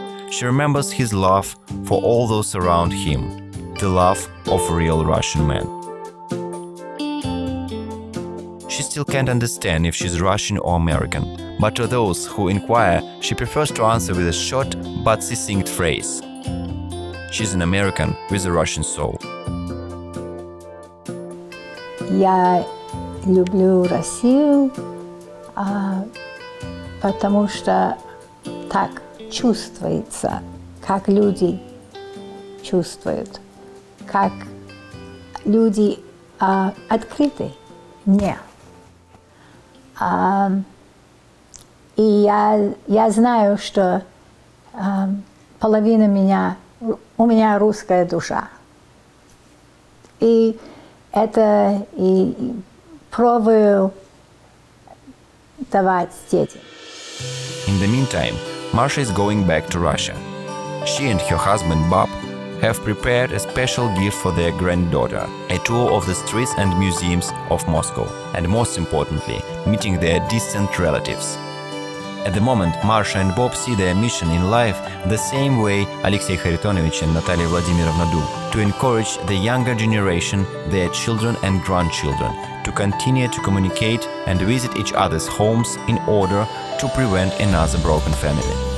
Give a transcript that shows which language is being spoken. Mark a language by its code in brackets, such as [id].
[en] She remembers his love for all those around him, the love of real Russian men. She still can't understand if she's Russian or American, but to those who inquire, she prefers to answer with a short but succinct phrase: she's an American with a Russian soul. [ru] Я люблю Россию, потому что так чувствуется, как люди чувствуют, как люди открыты мне. И я знаю, что половина меня, у меня русская душа. И это и пробую давать детям. [en] In the meantime, Marsha is going back to Russia. She and her husband, Bob, have prepared a special gift for their granddaughter, a tour of the streets and museums of Moscow, and most importantly, meeting their distant relatives. At the moment, Marsha and Bob see their mission in life the same way Alexey Kharitonovich and Natalia Vladimirovna do, to encourage the younger generation, their children and grandchildren, to continue to communicate and visit each other's homes in order to prevent another broken family.